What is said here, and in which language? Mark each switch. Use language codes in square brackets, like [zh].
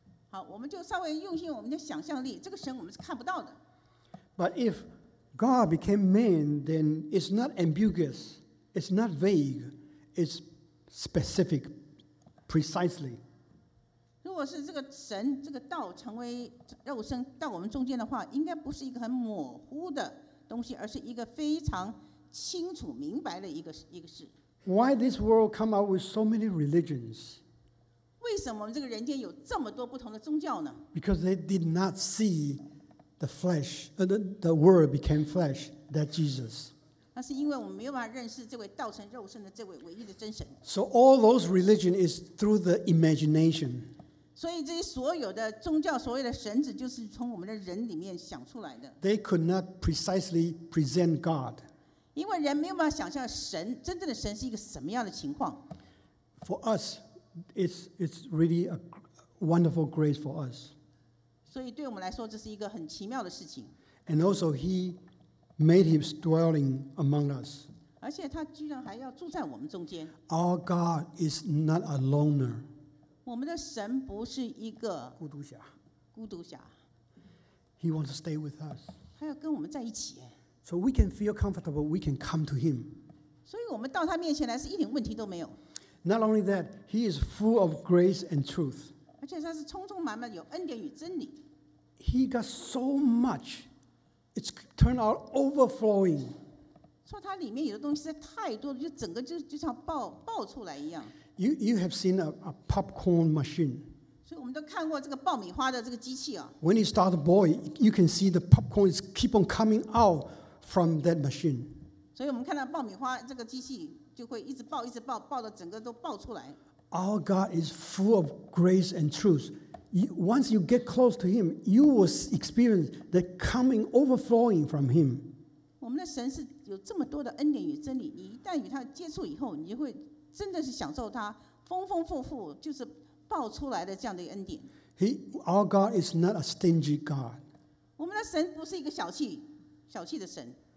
[zh] 好，我们就稍微用心我们的想象力，这个神我们是看不到的。 [en] But if God became man, then it's not ambiguous, it's not vague, it's specific precisely. [zh] 如果是这个神这个道成为肉身到我们中间的话，应该不是一个很模糊的东西，而是一个非常清楚明白的一个事。 [en] Why this world come out with so many religions? [zh] 为什么我们这个人间有这么多不同的宗教呢？ [en] Because they did not see the flesh, the word became flesh, that Jesus. [zh] 那是因为我们没有办法认识这位道成肉身的这位唯一的真神。 [en] So all those religion is through the imagination. [zh] 所以这些所有的宗教所有的神子就是从我们的人里面想出来的。 [en] They could not precisely present God. [zh] 因为人没有办法想象神真正的神是一个什么样的情况。 [en] For us, it's really a wonderful grace for us. [zh] 所以对我们来说这是一个很奇妙的事情。 [en] And also he made his dwelling among us. [zh] 而且他居然还要住在我们中间。 [en] Our God is not a loner. [zh] 我们的神不是一个孤独侠，孤独侠。 [en] He wants to stay with us. [zh] 他要跟我们在一起。 [en] So we can feel comfortable. We can come to him. [zh] 所以我们到他面前来是一点问题都没有。 [en] Not only that, he is full of grace and truth. [zh] 而且他是充充满满有恩典与真理。 [en] He got so much, it's turned out overflowing. [zh] 说他里面有的东西实在太多了，就整个就像爆出来一样。 [en] You have seen a popcorn machine. [zh] 所以我们都看过这个爆米花的这个机器啊。 [en] When you start to boil, you can see the popcorn is keep on coming out from that machine. [zh] 所以我们看到爆米花这个机器就会一直爆，一直爆，爆到整个都爆出来。 [en] Our God is full of grace and truth. Once you get close to Him, you will experience the coming overflowing from Him. [zh] 我们的神是有这么多的恩典与真理，你一旦与他接触以后，你就会。真的是享受他丰丰富富就是爆出来的这样的恩典。 [en] Our God is not a stingy God. [zh] 我们的神不是一个小气的神。